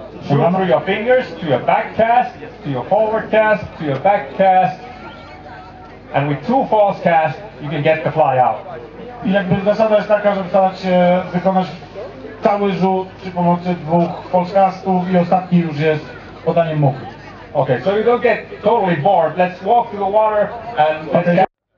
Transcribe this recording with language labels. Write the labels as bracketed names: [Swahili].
[English] Remember your fingers to your back cast, to your forward cast, to your back cast. And with two false cast, you can get the fly out. [Polish] I jakby zasada jest taka, żeby starać się wykonać cały rzut przy pomocy dwóch false castów i ostatni już jest podaniem muchy. [English] Okay, so you don't get totally bored. Let's walk through the water and let's cast.